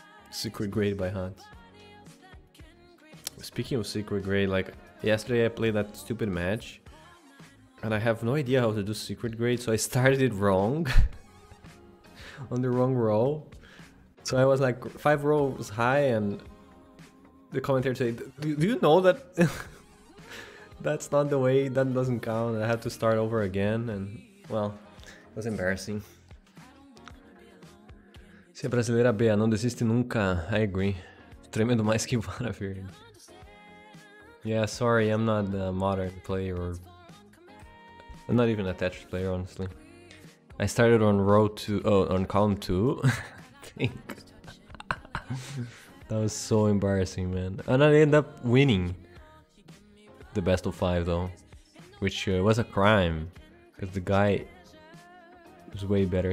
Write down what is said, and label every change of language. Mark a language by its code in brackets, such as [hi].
[en] Secret grade by Hatz. Speaking of secret grade, like yesterday I played that stupid match and I have no idea how to do secret grade, so I started it wrong on the wrong row. So I was like 5 rows high and the commentator said, do you know that that's not the way, that doesn't count, I had to start over again. And well, it was embarrassing. [pt] Se a brasileira Bea não desiste nunca, [en] I agree. [pt] Tremendo mais que Vanavir. [en] Yeah, sorry, I'm not a modern player, or I'm not even a Tetris player, honestly. I started on row 2, on column 2, I think. That was so embarrassing, man. And I ended up winning the best of 5, though, which was a crime, because the guy was way better.